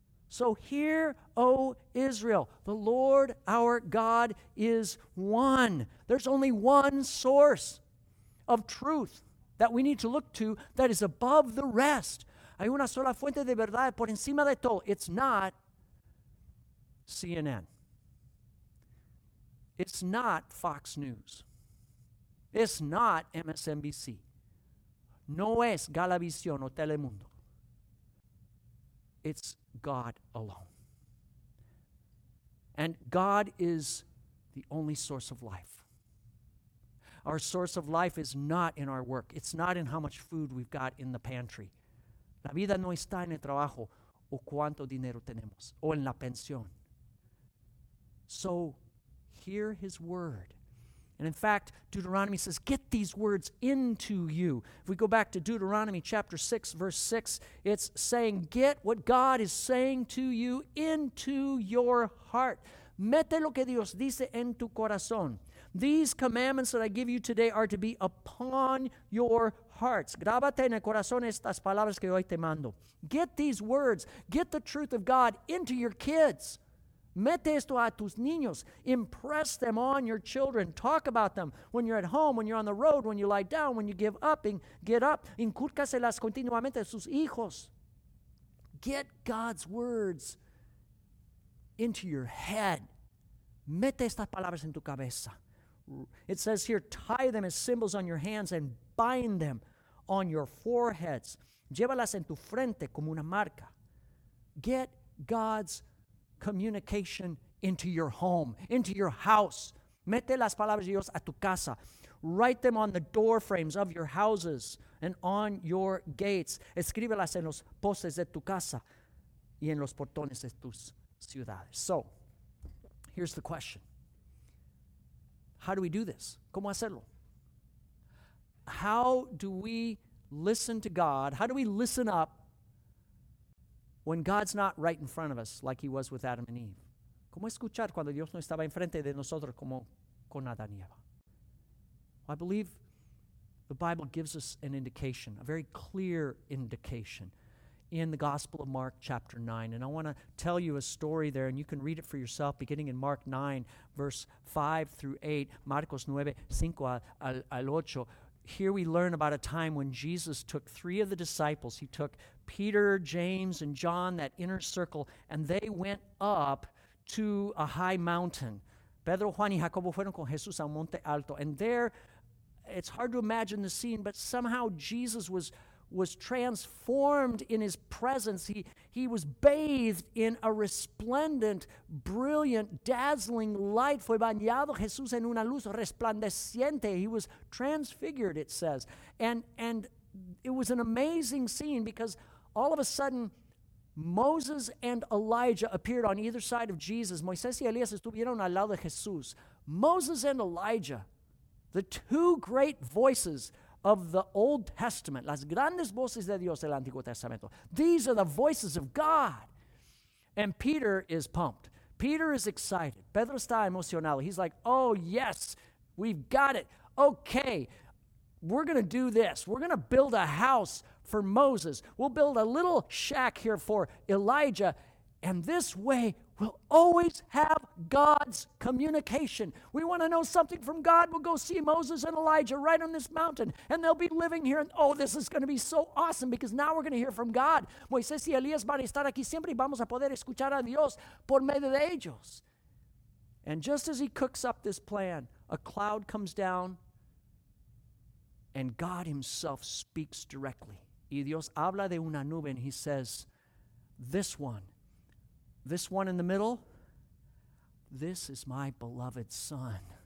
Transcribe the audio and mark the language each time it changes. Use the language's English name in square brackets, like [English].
[English] So hear, O Israel, the Lord our God is one. There's only one source of truth that we need to look to that is above the rest. [Spanish] Hay una sola fuente de verdad por encima de todo. [English] It's not CNN. It's not Fox News. It's not MSNBC. [Spanish] No es Galavisión o Telemundo. [English] It's God alone. And God is the only source of life. Our source of life is not in our work. It's not in how much food we've got in the pantry. [Spanish] La vida no está en el trabajo o cuánto dinero tenemos o en la pensión. [English] So hear his word. And in fact, Deuteronomy says, get these words into you. If we go back to Deuteronomy chapter 6, verse 6, it's saying, get what God is saying to you into your heart. [Spanish] Mete lo que Dios dice en tu corazón. [English] These commandments that I give you today are to be upon your hearts. [Spanish] Grábate en el corazón estas palabras que hoy te mando. [English] Get these words, get the truth of God into your kids. [Spanish] Mete esto a tus niños. [English] Impress them on your children. Talk about them when you're at home, when you're on the road, when you lie down, when you give up, and get up. [Spanish] Incúrcaselas continuamente a sus hijos. [English] Get God's words into your head. [Spanish] Mete estas palabras en tu cabeza. [English] It says here, tie them as symbols on your hands and bind them on your foreheads. [Spanish] Llévalas en tu frente como una marca. [English] Get God's communication into your home, into your house. [Spanish] Mete las palabras de Dios a tu casa. [English] Write them on the door frames of your houses and on your gates. [Spanish] Escríbelas en los postes de tu casa y en los portones de tus ciudades. [English] So, here's the question. How do we do this? [Spanish] ¿Cómo hacerlo? [English] How do we listen to God? How do we listen up when God's not right in front of us, like he was with Adam and Eve? [Spanish] ¿Cómo escuchar cuando Dios no estaba enfrente de nosotros como con Adán y Eva? [English] I believe the Bible gives us an indication, a very clear indication, in the Gospel of Mark chapter 9. And I want to tell you a story there, and you can read it for yourself, beginning in Mark 9, verse 5 through 8, [Spanish] Marcos 9, 5 al 8. [English] Here we learn about a time when Jesus took three of the disciples. He took Peter, James, and John, that inner circle, and they went up to a high mountain. [Spanish] Pedro, Juan, y Jacobo fueron con Jesús al Monte Alto. [English] And there, it's hard to imagine the scene, but somehow Jesus was transformed in his presence. He was bathed in a resplendent, brilliant, dazzling light. [Spanish] Fue bañado Jesús en una luz resplandeciente. [English] He was transfigured, it says. And it was an amazing scene because all of a sudden, Moses and Elijah appeared on either side of Jesus. [Spanish] Moisés y Elías estuvieron al lado de Jesús. [English] Moses and Elijah, the two great voices of the Old Testament, [Spanish] las grandes voces de Dios del Antiguo Testamento. [English] These are the voices of God. And Peter is pumped. Peter is excited. [Spanish] Pedro está emocionado. [English] He's like, oh, yes, we've got it. Okay, we're going to do this. We're going to build a house for Moses. We'll build a little shack here for Elijah. And this way, we'll always have God's communication. We want to know something from God. We'll go see Moses and Elijah right on this mountain. And they'll be living here. And oh, this is going to be so awesome because now we're going to hear from God. [Spanish] Moisés y Elías van a estar aquí siempre y vamos a poder escuchar a Dios por medio de ellos. [English] And just as he cooks up this plan, a cloud comes down and God himself speaks directly. [Spanish] Y Dios habla de una nube [English] and he says, This one in the middle, this is my beloved son.